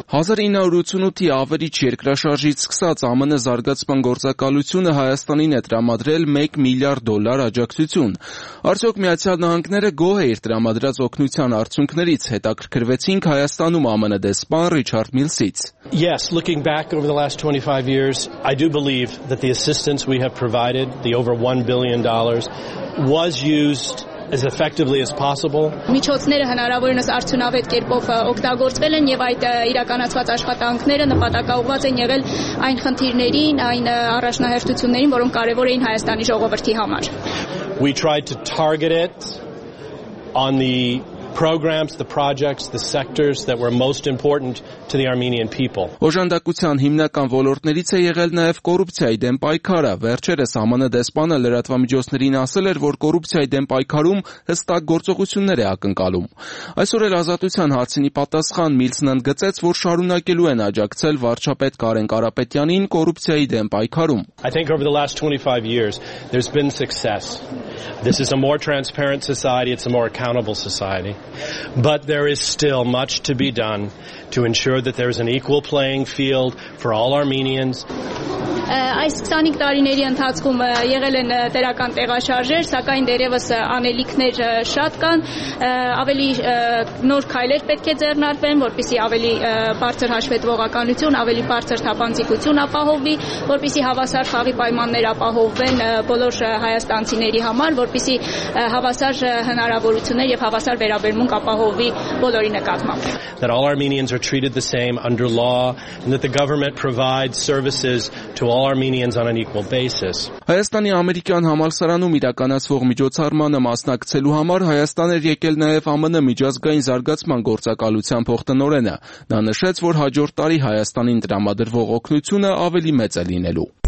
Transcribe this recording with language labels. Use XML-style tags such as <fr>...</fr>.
<hy>1988-ի ավերիչ երկրաշարժից սկսած ԱՄՆ զարգացման գործակալությունը Հայաստանին է տրամադրել 1 միլիարդ դոլար աջակցություն։ Արդյոք Միացյալ Նահանգները գոհ է իր տրամադրած օգնության արդյունքներից, հետաքրքրվեցինք Հայաստանում ԱՄՆ դեսպան Ռիչարդ Միլսից։</hy> <en>Yes, looking back over the last 25 years, I do believe that the assistance we have provided, the over $1 billion, was used as effectively as possible.</en> <hy>Միջոցները հնարավորինս արդյունավետ կերպով օգտագործվել են եւ այդ իրականացված աշխատանքները նպատակաուղված են եղել այն խնդիրներին, այն առաջնահերթություններին, որոնք կարևոր էին Հայաստանի ժողովրդի համար.</hy> <en>We tried to target it on the programs, the projects, the sectors that were most important to the Armenian people.</en> <hy>Օժանդակության հիմնական ոլորտներից է եղել նաև կոռուպցիայի դեմ պայքարը։ Վերջերս ԱՄՆ դեսպանը լրատվամիջոցներին ասել էր, որ կոռուպցիայի դեմ պայքարում հստակ գործողություններ է ակնկալում։ Այսօր էլ ազատության հարցինի պատասխան Միլսն ընդգծեց, որ շարունակելու են աջակցել վարչապետ Կարեն Կարապետյանին կոռուպցիայի դեմ պայքարում։</hy> <en>I think over the last 25 years there's been success. This is a more transparent society, it's a more accountable society. But there is still much to be done to ensure that there is an equal playing field for all Armenians.</en> <hy>Այս 25 տարիների ընթացքում եղել են տերական տեղաշարժեր, սակայն դերևս անելիքներ շատ կան, ավելի նոր քայլեր պետք է ձեռնարկվեն, որպեսզի ավելի բարձր հաշվետվողականություն, ավելի բարձր թափանցիկություն ապահովվի, որպեսզի հավասար խաղի պայմաններ ապահովվեն բոլոր հայաստանցիների համար, որպեսզի հավասար հնարավորություններ եւ հավասար վերաբերմունք ապահովվի բոլորի նկատմամբ։</hy> <en>That all Armenians are treated the same under law and that the government provides services to all all Armenians on an equal basis.</en> <hy>Հայաստանի ամերիկյան համալսարանում իրականացվող միջոցառմանը մասնակցելու համար Հայաստան էր եկել նաև ԱՄՆ միջազգային զարգացման գործակալության փոխտնօրենը։ Նա նշեց, որ հաջորդ տարի Հայաստանին տրամադրվող օգնությունը ավելի մեծ է լինելու։</hy>